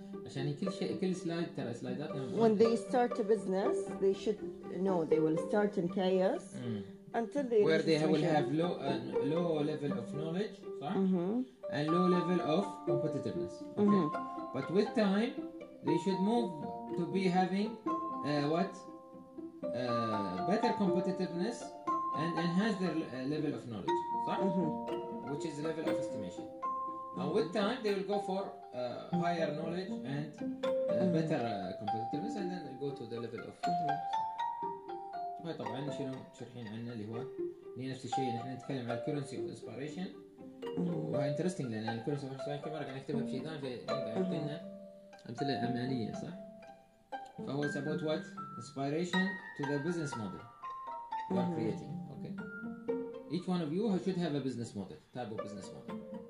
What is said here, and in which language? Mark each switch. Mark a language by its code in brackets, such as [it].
[ar] عشان كل شيء كل سلايد ترى سلايدات. [en] When they start a business, they should know they will start in chaos until they. Where they will have low level of knowledge, صح؟ And low level of competitiveness. Okay. But with time, they should move to be having what? Better competitiveness and enhance their level of knowledge, right? Mm-hmm. Which is the level of estimation. Now with time, they will go for higher knowledge and better competitiveness, and then go to the level of. [ar] هاي طبعاً شنو شرحين عنا اللي هو نفس الشيء نحن نتكلم على currency of inspiration. وهاي interesting لأن currency of inspiration كمان رح نكتبها بشيء ثاني في عندنا أمثلة عمانية صح؟ فهو [en] is about what? Inspiration to the business model you are creating, okay? Each one of you should have a business model, type of business model.